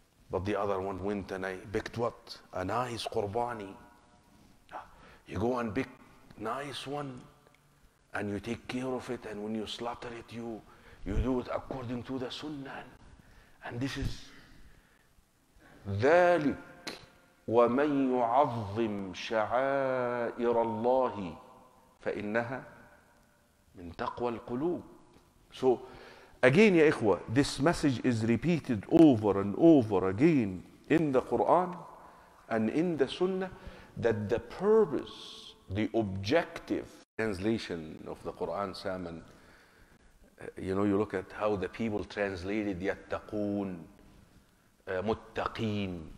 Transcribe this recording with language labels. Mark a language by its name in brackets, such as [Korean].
[English] But the other one went and I picked what? A nice qurbani. You go and pick nice one and you take care of it, and when you slaughter it, you do it according to the sunnah. And this is [Arabic] ذلك ومن يعظم شعائر الله فإنها من تقوى القلوب. [English] So again, ya ikhwa, this message is repeated over and over again in the Quran and in the Sunnah, that the purpose, the objective, translation of the Quran, Salman, you know, you look at how the people translated yattaqoon, muttaqeen,